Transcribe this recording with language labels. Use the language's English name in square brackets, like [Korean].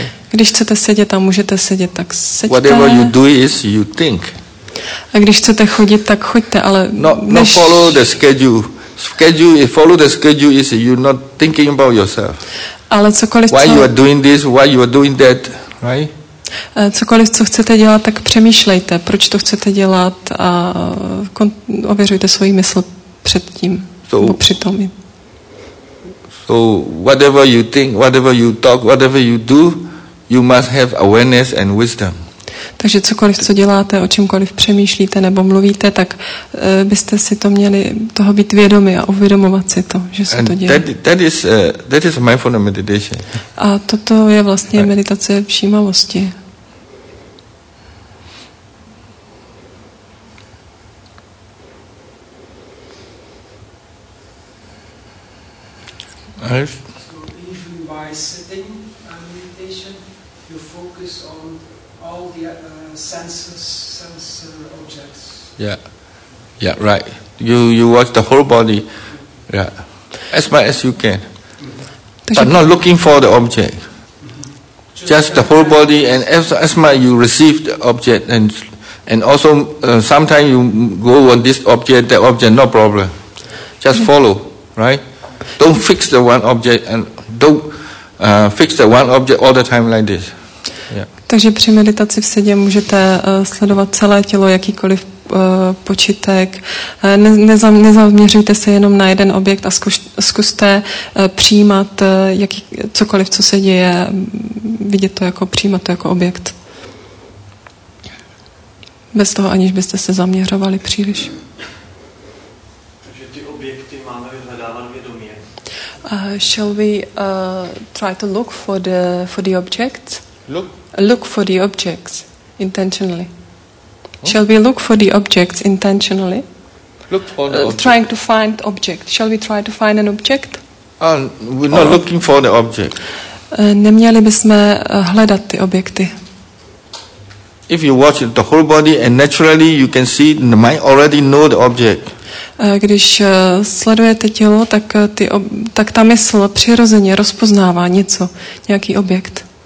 [Czech] Když chcete sedět a můžete sedět, tak seďte. [English] Whatever you do is you think. [Czech] A když chcete chodit, tak choďte, ale [English] No, follow the schedule. Follow the schedule is you not thinking about yourself. [Czech] Ale cokoliv, [English] why you are doing this, why you are doing that, right? [Czech] Cokoliv, co chcete dělat, tak přemýšlejte, proč to chcete dělat a ověřujte svůj mysl před tím, nebo při tom. [English] So whatever you think, whatever you talk, whatever you do, you must have awareness and wisdom. [Czech] Takže cokoliv, co děláte, o čemkoliv přemýšlíte nebo mluvíte, tak byste si to měli toho být vědomi a uvědomovat si to, že se [English] and [Czech] to děje. [English] That is mindfulness meditation. [Czech] A toto je vlastně meditace všímavosti. [English] So even by sitting and meditation, you focus on all the sensor objects. Yeah, right. You watch the whole body, yeah, as much as you can. Mm-hmm. But not looking for the object. Mm-hmm. Just the whole body, and as much you receive the object, and also sometimes you go on this object, that object, no problem. Just follow. right? Don't fix the one object and don't fix the one object all the time like this. Yeah. [Czech] Takže při meditaci v sedě můžete sledovat celé tělo, jakýkoliv počítek. Nezaměřujte se jenom na jeden objekt a zkuste přijímat cokoliv, co se děje, vidět to jako, přijímat to jako objekt. Bez toho, aniž byste se zaměřovali příliš. Takže ty objekty máme vyhledávat vědomě. [English] Shall we try to look for the objects? Look for the objects intentionally. Shall we look for the objects intentionally? Look for the object. Trying to find object. Shall we try to find an object? We're not looking for the object. [Czech] Neměli bychom hledat ty objekty. [English] If you watch the whole body and naturally you can see the mind already know the object. [Czech] Když sledujete tělo, tak tak ta mysl přirozeně rozpoznává něco, nějaký objekt.